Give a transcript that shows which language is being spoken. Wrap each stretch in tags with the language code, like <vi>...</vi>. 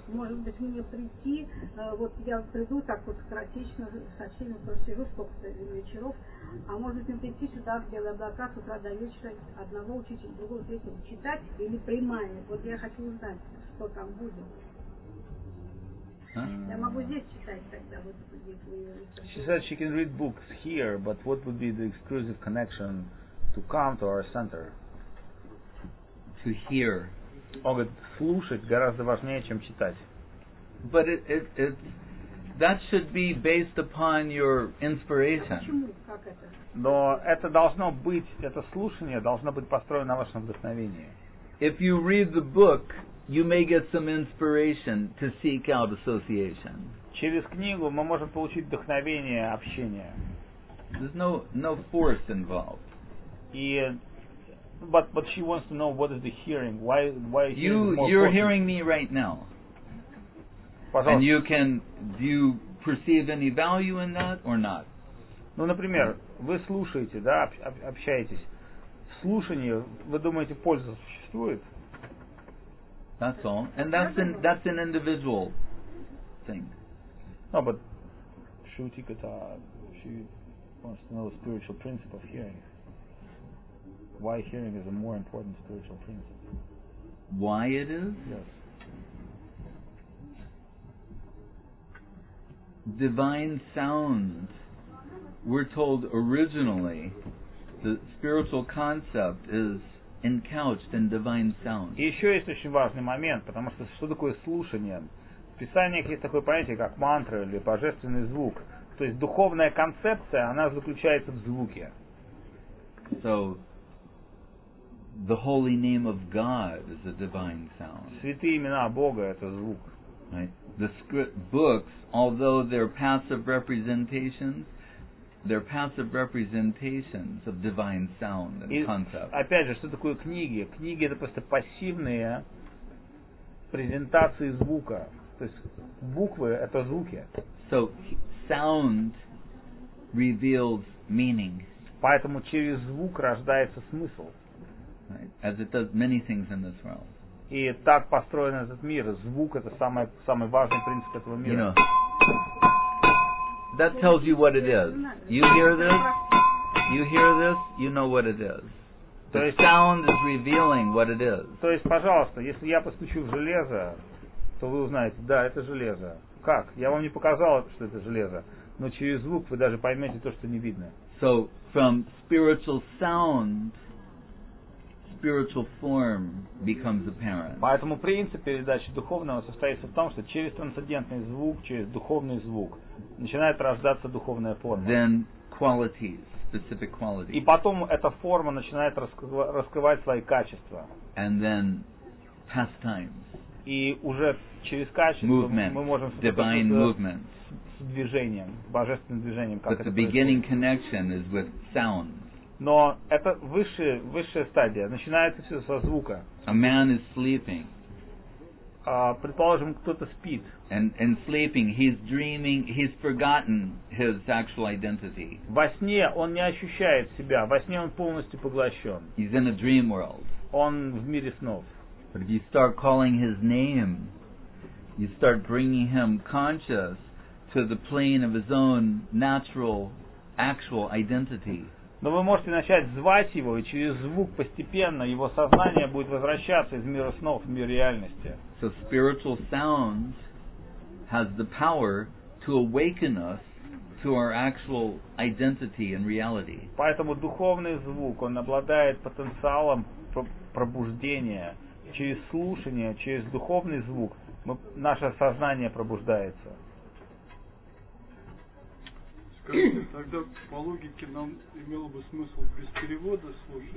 <ru>Может быть, мне прийти, вот я приду так вот скоротечно, со всеми прочими, сколько-то вечеров, а может быть, мне прийти сюда, в белые облака, с утра до вечера, одного учить, другого третьего, читать или прямая? Вот я хочу узнать, что там будет. Я могу здесь читать тогда, вот здесь.</ru> <en>She said she can read books here, but what would be the exclusive connection to come to our center? To hear.</en> <ru>Он говорит, слушать гораздо важнее, чем читать.</ru> <en>But it that should be based upon your inspiration.</en> <ru>Почему? Как это? Но это должно быть, это слушание должно быть построено на вашем вдохновении.</ru> <en>If you read the book, you may get some inspiration to seek out association.</en> <ru>Через книгу мы можем получить вдохновение общения.</ru> <en>There's no force involved. И But she wants to know what is the hearing. Why you hearing you're important. Hearing me right now.</en> <ru>Пожалуйста.</ru> <en>And you can do you perceive any value in that or not?</en> <ru>Ну, например, вы слушаете, да, общаетесь. В слушании вы думаете, польза существует?</ru> <en>That's all. And that's an individual thing. No, but Shruti Kata, she wants to know the spiritual principle of hearing. Why hearing is a more important spiritual principle. Why it is? Yes. Divine sound. We're told originally the spiritual concept is encouched in divine sound.</en> <ru>И еще есть очень важный момент, потому что такое слушание? В Писаниях есть такое понятие, как мантра или божественный звук. То есть духовная концепция, она заключается в звуке.</ru> <en>So, The holy name of God is a divine sound.</en> <ru>Святые имена Бога — это звук.</ru> <en>Right. The script books, although they're passive representations of divine sound and concept.</en> <ru>Опять же, что такое книги? Книги — это просто пассивные презентации звука. То есть буквы — это звуки.</ru> <en>So sound reveals meaning.</en> <ru>Поэтому через звук рождается смысл.</ru> <en>Right. As it does many things in this realm.</en> <ru>И так построен этот мир. Звук — это самый важный принцип этого мира.</ru> <en>You know, that tells you what it is. You hear this? You hear this? You know what it is. The sound is revealing what it is.</en> <ru>То есть, пожалуйста, если я постучу в железо, то вы узнаете, да, это железо. Как? Я вам не показал, что это железо. Но через звук вы даже поймете то, что не видно.</ru> <en>So, from spiritual sound, spiritual form becomes apparent.</en> <ru>Поэтому принцип передачи духовного состоится в том, что через трансцендентный звук, через духовный звук, начинает рождаться духовная форма.</ru> <en>Then qualities, specific qualities.</en> <ru>И потом эта форма начинает раскрывать свои качества.</ru> <en>And then pastimes.</en> <ru>И уже через качество</ru> <en>movement,</en> <ru>мы можем</ru> <en>divine movements.</en> <ru>С движением, божественным движением.</ru> <en>But the beginning connection is with sound.</en> <ru>Но это высшая стадия. Начинается все со звука.</ru> <en>A man is sleeping.</en> <ru>Предположим, кто-то спит.</ru> <en>And sleeping, he's dreaming, he's forgotten his actual identity.</en> <ru>Во сне он не ощущает себя. Во сне он полностью поглощен.</ru> <en>He's in a dream world.</en> <ru>Он в мире снов.</ru> <en>But if you start calling his name, you start bringing him conscious to the plane of his own natural, actual identity.</en> <ru>Но вы можете начать звать его, и через звук постепенно его сознание будет возвращаться из мира снов в мир реальности.</ru> <en>So spiritual sound has the power to awaken us to our actual identity and reality.</en> <ru>Поэтому духовный звук, он обладает потенциалом пробуждения. Через слушание, через духовный звук наше сознание пробуждается. Тогда по логике нам имело бы смысл без перевода слушать.</ru>